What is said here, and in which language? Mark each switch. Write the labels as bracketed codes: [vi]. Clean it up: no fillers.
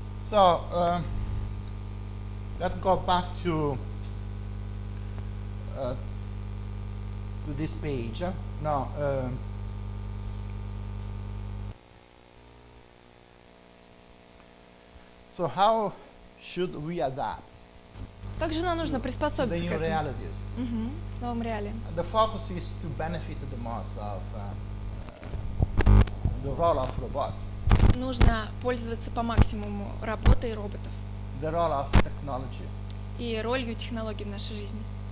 [en] So let's go back to this page. No, so how should we adapt? [ru] Как же нам нужно приспособиться к этому? [en] The new realities. [ru] В новом реалии. [en] The focus is to benefit the most of the role of robots. [ru] Нужно пользоваться по максимуму работой роботов. [en] The role of technology. [ru] И ролью технологий в нашей жизни.